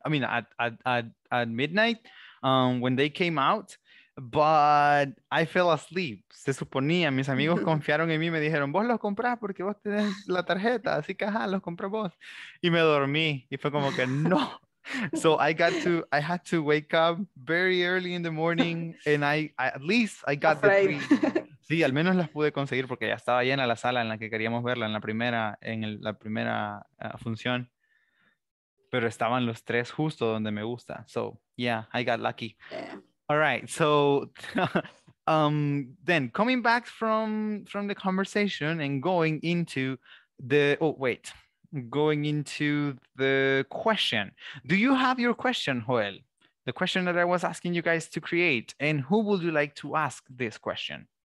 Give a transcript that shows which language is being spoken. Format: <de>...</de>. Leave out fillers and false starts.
<en>I mean, at midnight when they came out, but I fell asleep.</en> <es>Se suponía, mis amigos confiaron en mí, me dijeron, vos los compras porque vos tenés la tarjeta, así que ajá, los compras vos. Y me dormí y fue como que no.</es> <en>So I had to wake up very early in the morning, and I at least I got the three.</en> <es>Sí, al menos las pude conseguir porque ya estaba llena la sala en la que queríamos verla en la primera función. Pero estaban los tres justo donde me gusta.</es> <en>So yeah, I got lucky. Yeah. All right. So then coming back from the conversation and going into the going into the question. Do you have your question, Joel? The question that I was asking you guys to create, and who would you like to ask this question?</en>